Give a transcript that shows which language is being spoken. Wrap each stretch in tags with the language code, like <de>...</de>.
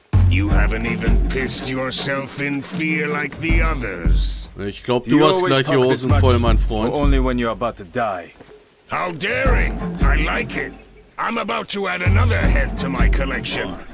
<en>You haven't even pissed yourself in fear like the others.</en> <de>Ich glaube, du hast gleich die Hosen voll, mein Freund.</de> <en>Only when you're about to die. How daring! I like it. I'm about to add another head to my collection.</en>